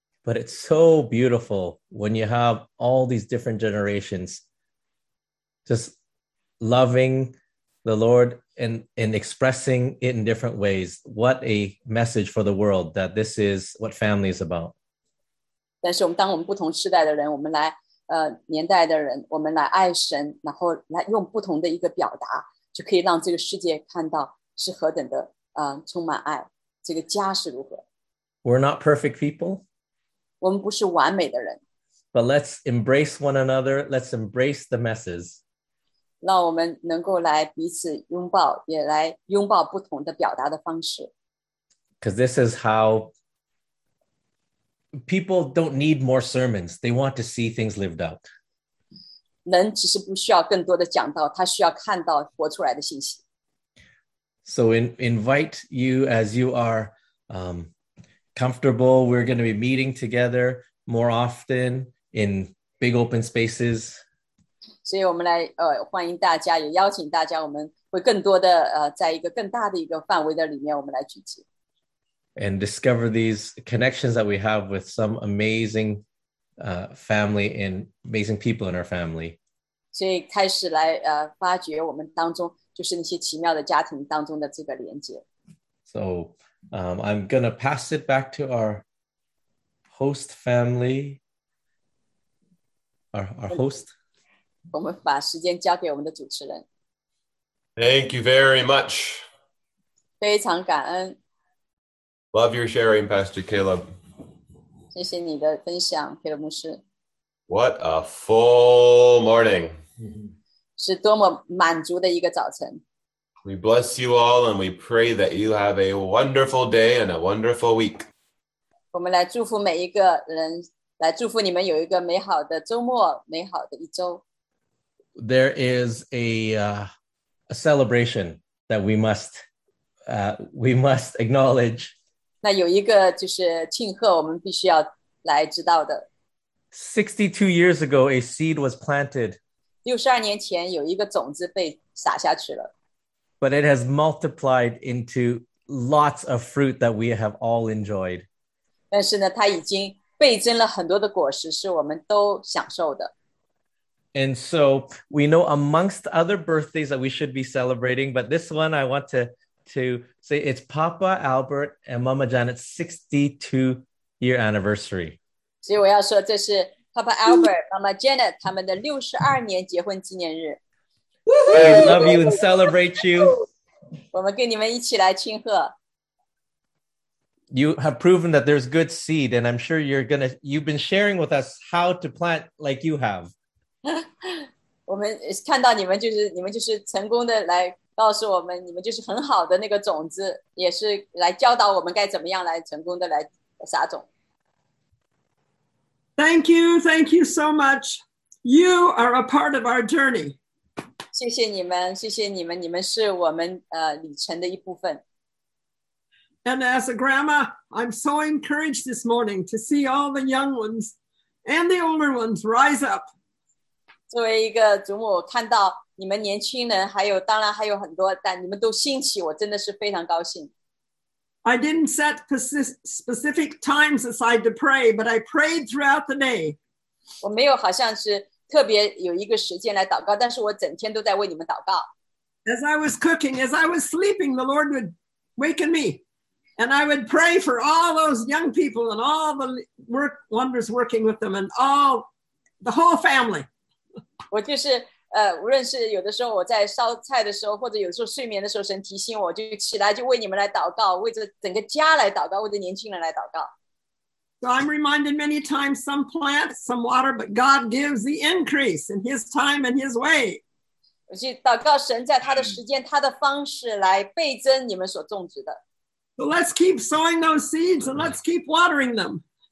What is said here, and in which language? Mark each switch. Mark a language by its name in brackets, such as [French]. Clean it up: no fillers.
[English] But it's so beautiful when you have all these different generations just loving the Lord and expressing it in different ways. What a message for the world that this is what family is about. [Chinese] 但是我们当我们不同世代的人，我们来年代的人，我们来爱神，然后来用不同的一个表达，就可以让这个世界看到是何等的充满爱，这个家是如何。 [English] We're not perfect people. [Chinese] 我们不是完美的人。 [English] But let's embrace one another. Let's embrace the messes. [Chinese] 让我们能够来彼此拥抱，也来拥抱不同的表达的方式。 [English] Because this is how people don't need more sermons. They want to see things lived out. [Chinese] 人其实不需要更多的讲道，他需要看到活出来的信息。 [English] So invite you as you are comfortable. We're going to be meeting together more often in big open spaces. [Chinese] 所以我们来欢迎大家，也邀请大家，我们会更多的在一个更大的一个范围的里面，我们来聚集。 [English] And discover these connections that we have with some amazing family and amazing people in our family. [Chinese] 所以开始来发掘我们当中就是那些奇妙的家庭当中的这个连接。 [English] So I'm going to pass it back to our host family. Our host. [Chinese] 我们把时间交给我们的主持人。 [English] Thank you very much. [Chinese] 非常感恩。 [English] Love your sharing, Pastor Caleb. [Chinese] 谢谢你的分享，佩勒牧师。 [English] What a full morning. [Chinese] 是多么满足的一个早晨。 [English] We bless you all and we pray that you have a wonderful day and a wonderful week. [Chinese] 我们来祝福每一个人，来祝福你们有一个美好的周末，美好的一周。 [English] There is a celebration that we must acknowledge. [Chinese] 那有一个就是庆贺，我们必须要来知道的。 [English] 62 years ago, a seed was planted. [Chinese] 62年前有一个种子被撒下去了。 [English] But it has multiplied into lots of fruit that we have all enjoyed. [Chinese] 但是呢，它已经倍增了很多的果实，是我们都享受的。 [English] And so we know amongst other birthdays that we should be celebrating, but this one I want to say it's Papa Albert and Mama Janet's 62-year anniversary. [Chinese] 所以我要说这是 Papa Albert, Mama Janet 他们的62年结婚纪念日。 [English] We love you and celebrate you. [Chinese] 我们跟你们一起来庆贺。 [English] You have proven that there's good seed, and I'm sure you've been sharing with us how to plant like you have. [Chinese] 我们看到你们就是成功的来告诉我们，你们就是很好的那个种子，也是来教导我们该怎么样来成功的来撒种。 [English] Thank you so much. You are a part of our journey. [Chinese] 谢谢你们，谢谢你们，你们是我们旅程的一部分。 [English] And as a grandma, I'm so encouraged this morning to see all the young ones and the older ones rise up. [Chinese] 作为一个祖母，看到你们年轻人还有当然还有很多但你们都兴起我真的是非常高兴。 [English] I didn't set specific times aside to pray, but I prayed throughout the day. [Chinese] 我没有好像是特别有一个时间来祷告但是我整天都在为你们祷告。 [English] As I was cooking, as I was sleeping, the Lord would waken me. And I would pray for all those young people and all the wonders working with them and all the whole family. [Chinese] 我就是无论是有的时候我在烧菜的时候或者有的时候睡眠的时候神提醒我就起来就为你们来祷告为着整个家来祷告为着年轻人来祷告 [English] So I'm reminded many times, some plants, some water, but God gives the increase in his time and his way. So let's keep sowing those seeds and let's keep watering them.